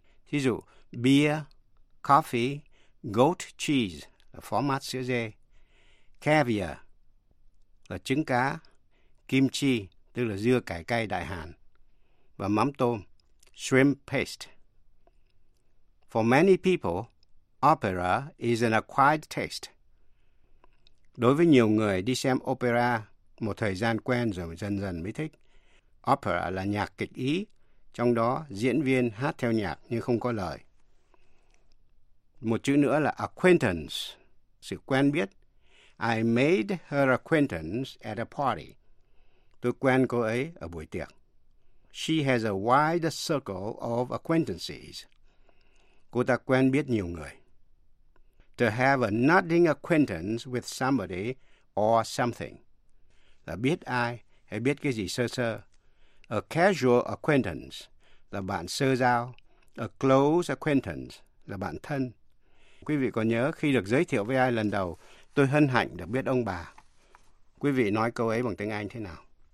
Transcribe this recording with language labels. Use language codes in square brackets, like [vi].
[vi] Thí dụ, beer, coffee, goat cheese là phó mát sữa dê. Caviar là trứng cá. Kim chi, tức là dưa cải cay đại hàn, và mắm tôm, shrimp paste. [en] For many people, opera is an acquired taste. [vi] Đối với nhiều người đi xem opera một thời gian quen rồi dần dần mới thích. Opera là nhạc kịch Ý, trong đó diễn viên hát theo nhạc nhưng không có lời. Một chữ nữa là acquaintance, sự quen biết. [en] I made her acquaintance at a party. [vi] Tôi quen cô ấy ở buổi tiệc. [en] She has a wide circle of acquaintances. [vi] Cô ta quen biết nhiều người. [en] To have a nodding acquaintance with somebody or something. [vi] Là biết ai hay biết cái gì sơ sơ. [en] A casual acquaintance [vi] là bạn sơ giao. [en] A close acquaintance [vi] là bạn thân. Quý vị còn nhớ khi được giới thiệu với ai lần đầu, tôi hân hạnh được biết ông bà. Quý vị nói câu ấy bằng tiếng Anh thế nào?